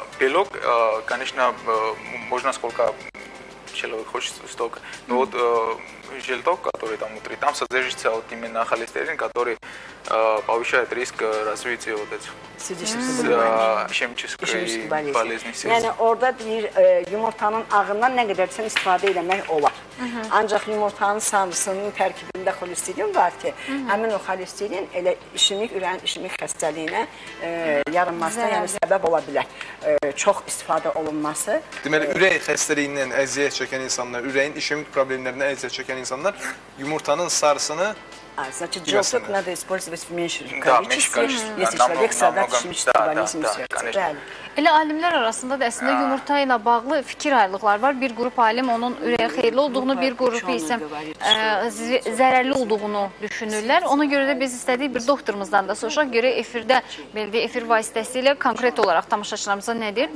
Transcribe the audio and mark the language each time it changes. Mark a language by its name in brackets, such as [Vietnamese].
[Russian] Белок, конечно, можно сколько человек хочет, столько. Но вот желток, который там внутри, там содержится вот именно холестерин, который повышает риск развития вот этих сердечно-сосудистой болезни. [Azerbaijani] Yani orada bir yumurtanın ağından nə qədər sən istifadə etmək olar. Ancaq yumurtanın samısının tərkibində xolesterin var ki, həmin o xolesterin elə işimik, ürəyin işimik xəstəliyinə yaranmasına yəni səbəb ola bilər. Çox istifadə olunması. Deməli, ürək xəstəliyindən əziyyət çəkən insanlar, ürəyin işimik problemlərindən əziyyət çəkən insanlar yumurtanın sarısını [Russian] Значит, надо использовать в меньшем количестве, если человек страдает ишемической болезнью. [Azerbaijani] Elə alimlər arasında da əslində yumurta ilə bağlı fikir ayrılıqları var. Bir qrup alim onun ürəyə xeyirli olduğunu, bir qrupu isə zərərli olduğunu düşünürlər. Ona görə də biz istədik bir doktorumuzdan da soruşaq görə efirdə, belə deyək, efir vasitəsilə konkret olaraq tamaşaçılarımıza nə deyir?